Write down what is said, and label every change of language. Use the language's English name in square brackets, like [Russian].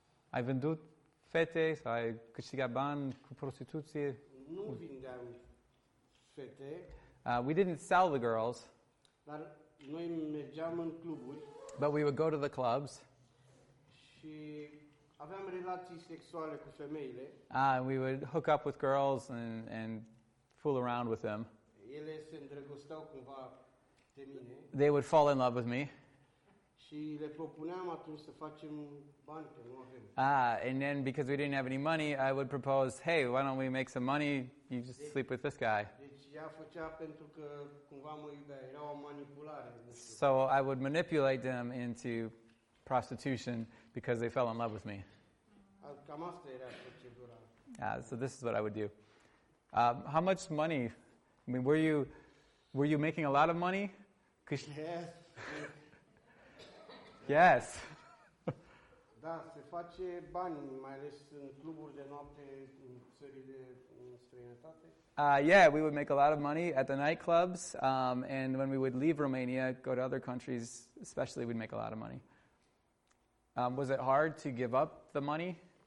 [Romanian] Ai vândut fete sau ai câștigat bani cu prostituție? Nu vindeam fete. [English] We didn't sell the girls. [Romanian] Dar noi mergeam în cluburi. [English] But we would go to the clubs. [Romanian] Și aveam relații sexuale cu femeile. [English] We would hook up with girls and fool around with them. [Romanian] Ele se îndrăgosteau cumva de mine. [English] They would fall in love with me. [Romanian] Și le propuneam atunci să facem bani, că nu avem. [English] And then because we didn't have any money, I would propose, hey, why don't we make some money? You just sleep with this guy. [Romanian] Deci ea făcea pentru că cumva mă iubea, era o manipulare. [English] So I would manipulate them into prostitution because they fell in love with me. [Romanian] Cam asta era procedura. [English] So this is what I would do. How much money? I mean, were you making a lot of money? Yes. Yes. [Romanian] Da, se face bani, mai ales în cluburi de noapte, în țări de străinătate. [English] Yeah, we would make a lot of money at the nightclubs, and when we would leave Romania, go to other countries, especially, we'd make a lot of money. Was it hard to give up the money?